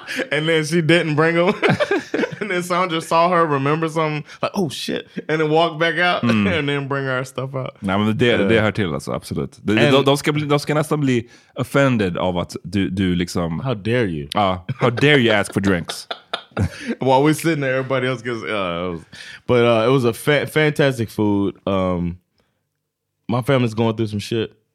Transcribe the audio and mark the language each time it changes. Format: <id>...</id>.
<en>And then she didn't bring them. And then Sandra saw her, remember something, like, oh shit. And then walked back out and then bring our stuff out.</en> <sv>Nej, men det hör till alltså, absolut. De ska nästan bli offended av att du liksom...</sv> <en>How dare you? How dare you ask for drinks? While we're sitting there, everybody else gets... it was a fantastic food. My family's going through some shit.</en>